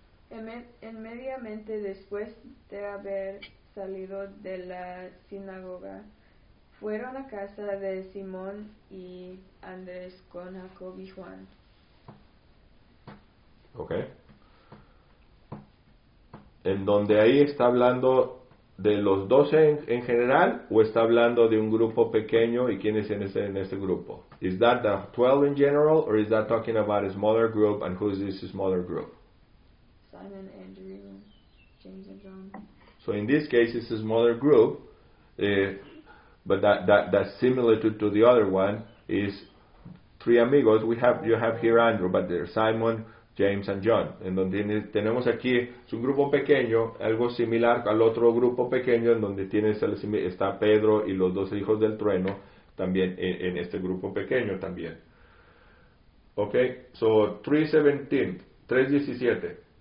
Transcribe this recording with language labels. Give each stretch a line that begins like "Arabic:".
Spanish: Inmediatamente después de haber salido de la sinagoga, fueron a casa de Simón y Andrés con Jacob y Juan.
English: Okay.
Spanish: ¿En donde ahí está hablando de los doce en general o está hablando de un grupo pequeño y quién es en ese grupo?
English: Is that the 12 in general or is that talking about a smaller group and who is this smaller group? Simon, Andrew, James and John. So in this case it's a smaller group, but that's similar to the other one is three amigos. You have here Andrew, but there's Simon, James and John.
Spanish: En donde tenemos aquí es un grupo pequeño, algo similar al otro grupo pequeño en donde está Pedro y los dos hijos del trueno. También en este grupo pequeño también.
English: Okay, so 3:17.